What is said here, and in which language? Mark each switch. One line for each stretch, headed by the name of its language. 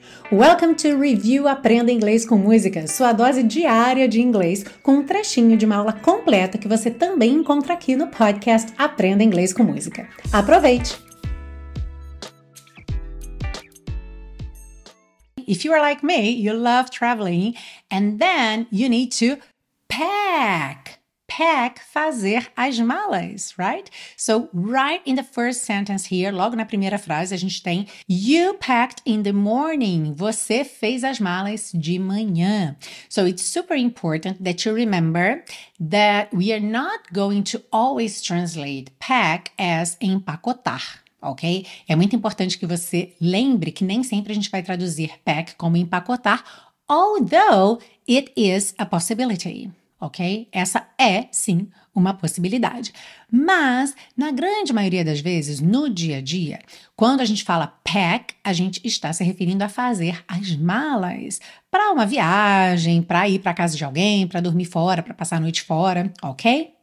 English: Welcome to Review
Portuguese: Aprenda Inglês com Música, sua dose diária de inglês, com um trechinho de uma aula completa que você também encontra aqui no podcast Aprenda Inglês com Música. Aproveite!
English: If you are like me, you love traveling, and then you need to pack. Pack,
Portuguese: fazer as malas,
English: right? So, right in the first sentence here,
Portuguese: logo na primeira frase, a gente tem
English: you packed in the morning.
Portuguese: Você fez as malas de manhã.
English: So, it's super important that you remember that we are not going to always translate pack as empacotar. Ok?
Portuguese: É muito importante que você lembre que nem sempre a gente vai traduzir pack como empacotar,
English: although it is a possibility,
Portuguese: ok? Essa é, sim, uma possibilidade. Mas, na grande maioria das vezes, no dia a dia, quando a gente fala pack, a gente está se referindo a fazer as malas para uma viagem, para ir para a casa de alguém, para dormir fora, para passar a noite fora, ok?